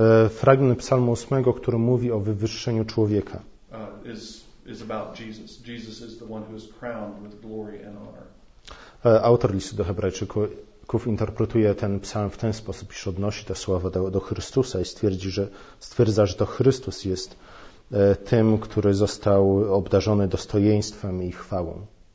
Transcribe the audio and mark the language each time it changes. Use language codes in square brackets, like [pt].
[pl] Fragment Psalmu 8, który mówi o wywyższeniu człowieka. [en] Is about Jesus. Jesus is the one who is crowned with glory and honor. [pl] Autor listu do Hebrajczyków interpretuje ten psalm w ten sposób, iż odnosi te słowa do Chrystusa i stwierdza, że to Chrystus jest tym, który został obdarzony dostojeństwem i chwałą.